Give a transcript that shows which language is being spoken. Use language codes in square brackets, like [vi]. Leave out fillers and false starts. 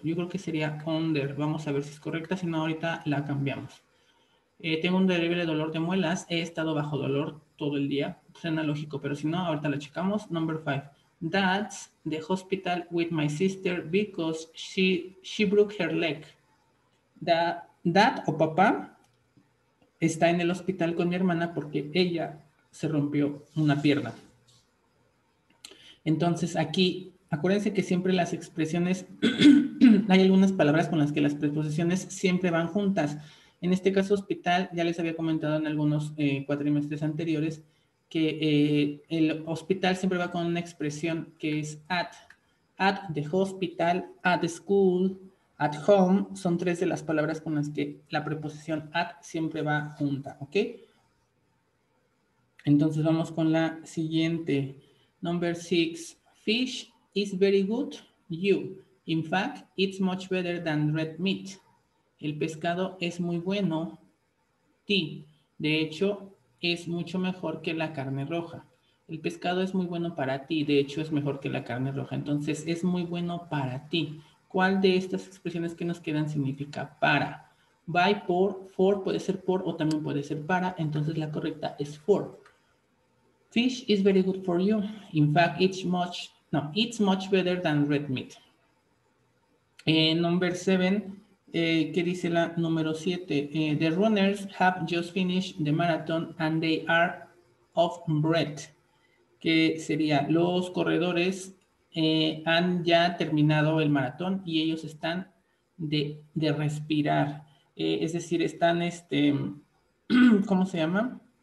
[es] Yo creo que sería under, vamos a ver si es correcta, si no ahorita la cambiamos. Tengo un terrible dolor de muelas, he estado bajo dolor todo el día, suena lógico, pero si no, ahorita la checamos. [en] Number five, that's the hospital with my sister because she broke her leg. [es] Dad o papá está en el hospital con mi hermana porque ella se rompió una pierna. Entonces aquí, acuérdense que siempre las expresiones, hay algunas palabras con las que las preposiciones siempre van juntas. En este caso, hospital, ya les había comentado en algunos cuatrimestres anteriores que el hospital siempre va con una expresión que es [en] at the hospital, at the school, at home. [es] Son tres de las palabras con las que la preposición at siempre va junta, ¿ok? Entonces, vamos con la siguiente. [en] Number six, fish is very good, you. In fact, it's much better than red meat. [es] El pescado es muy bueno, ti. De hecho, es mucho mejor que la carne roja. El pescado es muy bueno para ti. De hecho, es mejor que la carne roja. Entonces, es muy bueno para ti. ¿Cuál de estas expresiones que nos quedan significa para? By, por, for, puede ser por o también puede ser para. Entonces, la correcta es [en] for. Fish is very good for you. In fact, it's much better than red meat. Number seven. [es] ¿Qué dice la número 7? [en] The runners have just finished the marathon and they are off bread. [es] ¿Qué sería? Los corredores han ya terminado el maratón y ellos están de respirar. Es decir, están ¿cómo se llama?